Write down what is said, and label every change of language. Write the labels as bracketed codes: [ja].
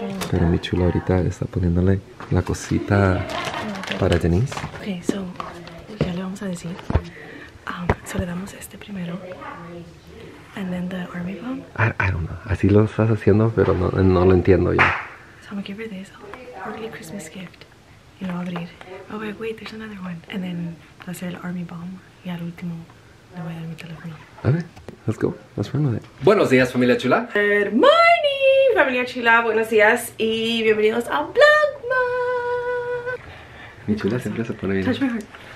[es] Pero mi chula ahorita está poniéndole la cosita para Denise. [en] Ok, so, [es] ya le vamos a decir. So, le damos este primero. [en] And then the army bomb. I don't know. [es] Así lo estás haciendo, pero no lo entiendo yo. [en] So, I'm gonna give her this early Christmas gift. [es] Y lo voy a abrir. [en] Oh, wait, there's another one. And then, [es] va a ser el army bomb. Y al último, le voy a dar mi teléfono. A ver. [en] Let's go. Let's run with it. [es] Buenos días, familia chula. [en] Good morning, [es] familia chula. Buenos días y bienvenidos a Vlogmas. Mi chula siempre se pone bien. [en] Touch my heart.